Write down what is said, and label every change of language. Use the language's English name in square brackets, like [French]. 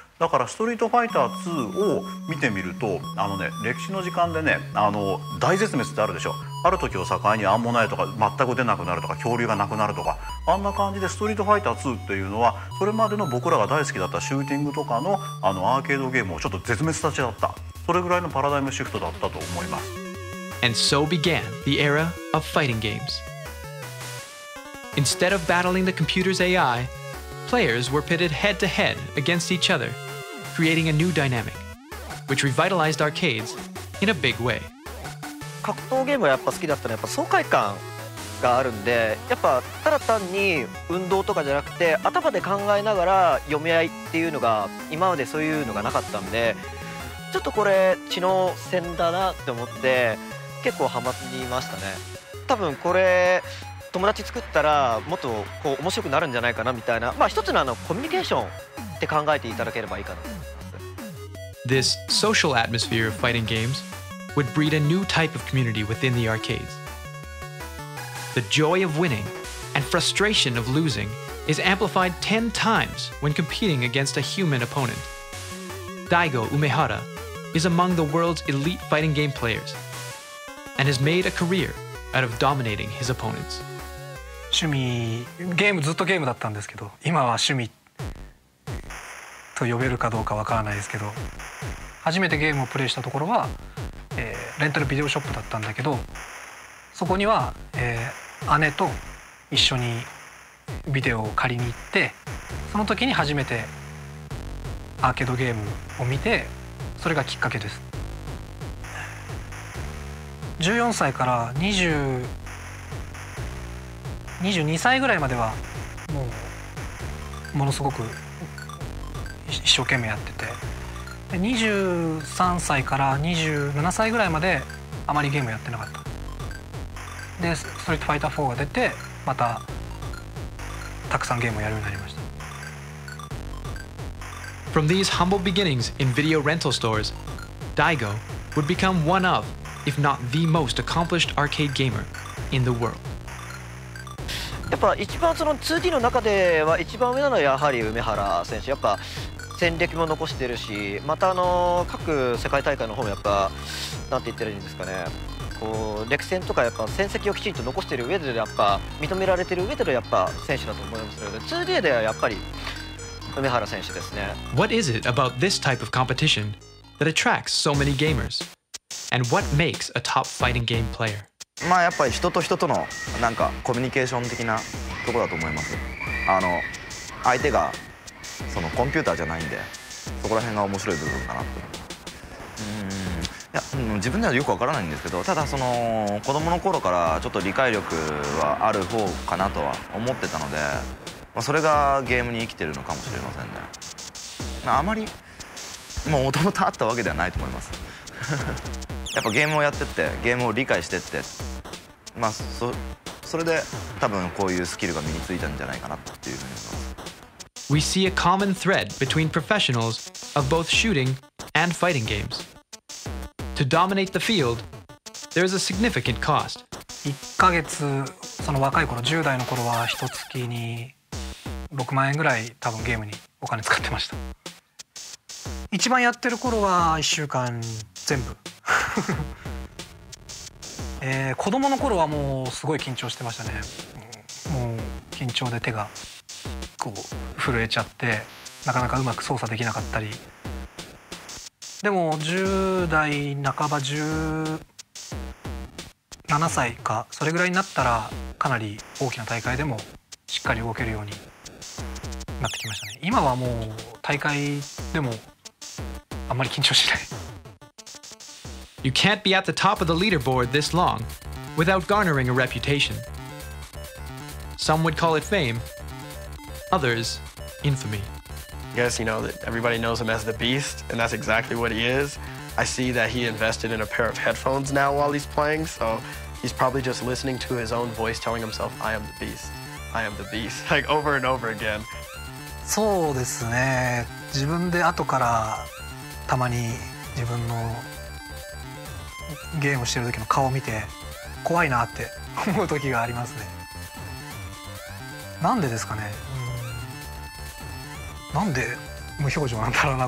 [Japanese] だからストリートファイター2を見てみると、あのね、歴史の時間でね、あの大絶滅ってあるでしょ。ある時を境にアンモナイトが全く出なくなるとか、恐竜がなくなるとか、あんな感じでストリートファイター2っていうのは、それまでの僕らが大好きだったシューティングとか あのアーケードゲームをちょっと絶滅させちゃった、それぐらいのパラダイムシフトだったと思います。 [English] And so began the era of fighting games. Instead of battling the computer's AI, players were pitted head to head against each other, creating a new dynamic, which revitalized arcades in a big way. [Japanese] 格闘ゲームがやっぱ好きだったのは、やっぱ爽快感があるんで、やっぱただ単に運動とかじゃなくて、頭で考えながら読み合いっていうのが、今までそういうのがなかったんで、ちょっとこれ知能戦だなって思って結構ハマりましたね。多分これ友達作ったらもっとこう面白くなるんじゃないかなみたいな、まあ一つ のコミュニケーションって考えていただければいいかなと思います。 [English] This social atmosphere of fighting games would breed a new type of community within the arcades. The joy of winning and frustration of losing is amplified 10 times when competing against a human opponent. Daigo Umehara is among the world's elite fighting game players and has made a career out of dominating his opponents. [Japanese] 趣味ゲームずっとゲームだったんですけど、今は趣味と呼べるかどうかわからないですけど、初めてゲームをプレイしたところは、レンタルビデオショップだったんだけど、そこには、姉と一緒にビデオを借りに行って、その時に初めてアーケードゲームを見て、それがきっかけです。 14歳から22歳ぐらいまではもうものすごく一生懸命やってて、で23歳から27歳ぐらいまであまりゲームやってなかった。でストリートファイター4が出て、またたくさんゲームをやるようになりました。 [English] From these humble beginnings in video rental stores, Daigo would become one of, if not the most accomplished arcade gamer in the world. [Japanese] やっぱ一番その 2D の中では一番上なのはやはり梅原選手。やっぱ戦歴も残してるし、またあの各世界大会の方もやっぱなんて言ってるんですかね、こう歴戦とかやっぱ戦績をきちんと残している上でやっぱ認められている上でのやっぱ選手だと思いますけど、 2D ではやっぱり梅原選手ですね。 [English] What is it about this type of competition that attracts so many gamers? And what makes a top fighting game player? [Japanese] まあやっぱり人と人とのなんかコミュニケーション的なところだと思います。あの相手がそのコンピューターじゃないんで、そこら辺が面白い部分かなと。いや自分ではよくわからないんですけど、ただその子供の頃からちょっと理解力はある方かなとは思ってたので、それがゲームに生きてるのかもしれませんね。あまりもともとあったわけではないと思います。やっぱゲームをやってって、ゲームを理解してって、まあ それで多分こういうスキルが身についたんじゃないかなっていうふうに思います。 [English] We see a common thread between professionals of both shooting and fighting games. To dominate the field, there is a significant cost. [Japanese] 1ヶ月、その若い頃、10代の頃は1月に6万円ぐらい多分ゲームにお金使ってました。一番やってる頃は1週間全部子供の頃はもうすごい緊張してましたね。もう緊張で手がこう震えちゃって、なかなかうまく操作できなかったり。でも10代半ば、17歳かそれぐらいになったら、かなり大きな大会でもしっかり動けるようになってきましたね。今はもう大会でもあんまり緊張しない。 [English] You can't be at the top of the leaderboard this long without garnering a reputation. Some would call it fame, others infamy. I guess you know that everybody knows him as the Beast, and that's exactly what he is. I see that he invested in a pair of headphones now while he's playing, so he's probably just listening to his own voice telling himself, I am the Beast, I am the Beast, like over and over again. [Japanese] そうですね。自分で後からたまに自分のゲームしてる時の顔を見て怖いなって思う時がありますね。なんでですかね。なんで無表情なんだろうな。